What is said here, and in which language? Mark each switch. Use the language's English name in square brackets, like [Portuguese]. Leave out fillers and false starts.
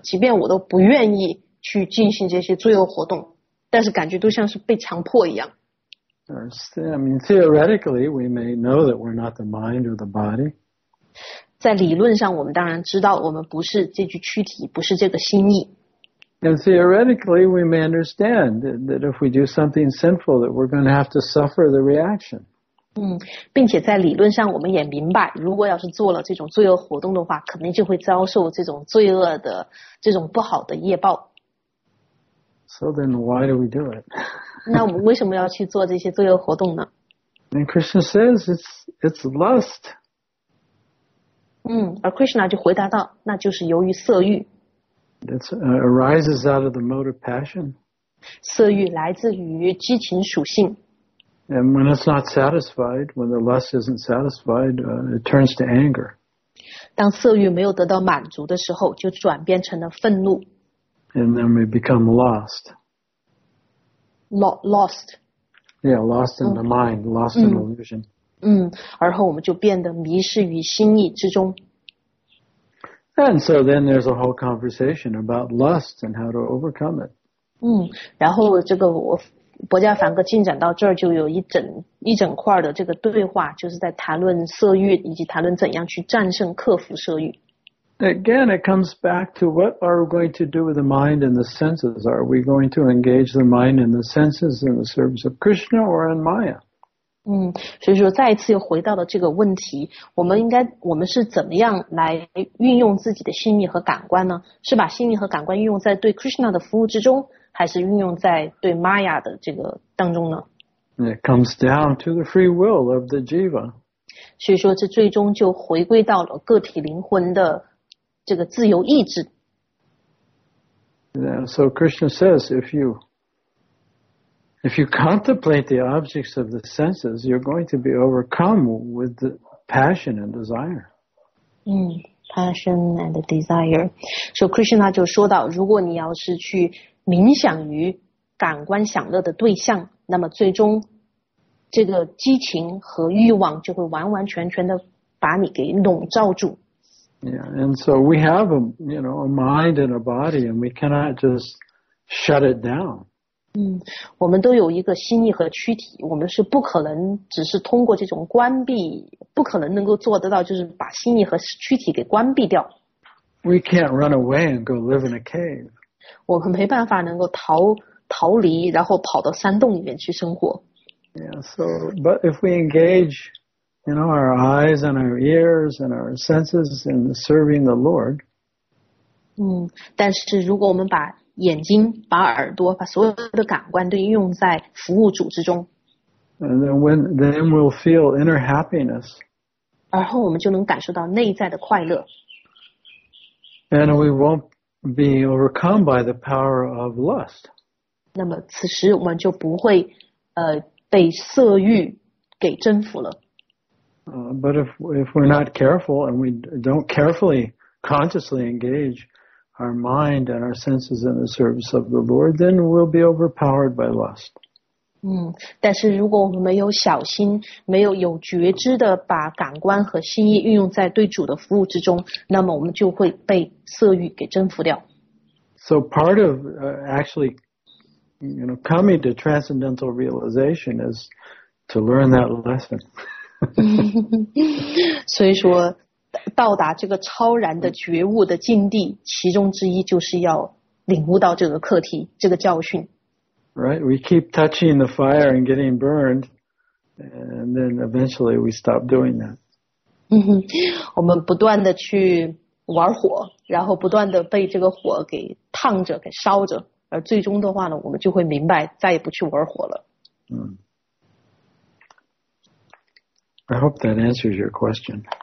[Chinese] 即便我都不愿意去进行这些罪恶活动，但是感觉都像是被强迫一样。 [English] Theoretically, we may know that we're not the mind or the body. [Chinese] 在理论上，我们当然知道我们不是这具躯体，不是这个心意。 [English] And theoretically, we may understand that if we do something sinful, that we're going to have to suffer the reaction. [Chinese] 并且在理论上，我们也明白，如果要是做了这种罪恶活动的话，肯定就会遭受这种罪恶的这种不好的业报。 [English] So then, why do we do it? [Chinese] 那我们为什么要去做这些罪恶活动呢？ [English] And Krishna says it's lust. [Chinese] 而 Krishna 就回答到，那就是由于色欲。 [English] It arises out of the mode of passion. [Chinese] 色欲来自于激情属性。 [English] And when it's not satisfied, when the lust isn't satisfied, it turns to anger. [Chinese] 当色欲没有得到满足的时候，就转变成了愤怒。 [English] And then we become lost. Lost. Yeah, lost in the mind, lost in illusion. [Chinese] 而后我们就变得迷失于心意之中。 [English] And so then there's a whole conversation about lust and how to overcome it. [Chinese] 然后这个我博加凡戈进展到这儿就有一整块的这个对话，就是在谈论色欲以及谈论怎样去战胜克服色欲。 [English] Again, it comes back to what are we going to do with the mind and the senses? Are we going to engage the mind and the senses in the service of Krishna or in Maya? [Chinese] 所以说再一次又回到了这个问题，我们是怎么样来运用自己的心意和感官呢？是把心意和感官运用在对 Krishna 的服务之中，还是运用在对 Maya 的这个当中呢？ [English] It comes down to the free will of the jiva. [Chinese] 所以说这最终就回归到了个体灵魂的这个自由意志。 [English] Yeah, so Krishna says, if you contemplate the objects of the senses, you're going to be overcome with the passion and desire. Passion and desire. [Chinese] So Krishna 就说到，如果你要是去冥想于感官享乐的对象，那么最终这个激情和欲望就会完完全全的把你给笼罩住。 [English] Yeah, and so we have a mind and a body, and we cannot just shut it down. [Chinese] 我们都有一个心意和躯体，我们是不可能只是通过这种关闭，不可能能够做得到，就是把心意和躯体给关闭掉。 [English] We can't run away and go live in a cave. [Chinese] 我们没办法能够逃离，然后跑到山洞里面去生活。 [English] Yeah, so but if we engage, you know, our eyes and our ears and our senses in serving the Lord. [Chinese] 但是如果我们把眼睛、把耳朵、把所有的感官都应用在服务主之中。 [English] And then we'll feel inner happiness. [Chinese] 而后我们就能感受到内在的快乐。 [English] And we won't be overcome by the power of lust. [Chinese] 那么此时我们就不会被色欲给征服了。 [English] But if we're not careful and we don't carefully, consciously engage our mind and our senses in the service of the Lord, then we'll be overpowered by lust. [Chinese] 但是如果我们没有小心，没有有觉知的把感官和心意运用在对主的服务之中，那么我们就会被色欲给征服掉。 [English] So part of actually, you know, coming to transcendental realization is to learn that lesson. [Chinese] 所以说到达这个超然的觉悟的境地，其中之一就是要领悟到这个课题，这个教训。 [English] Right, we keep touching the fire and getting burned, and then eventually we stop doing that. [Chinese] 我们不断的去玩火，然后不断的被这个火给烫着，给烧着，而最终的话呢，我们就会明白，再也不去玩火了。 [English] I hope that answers your question.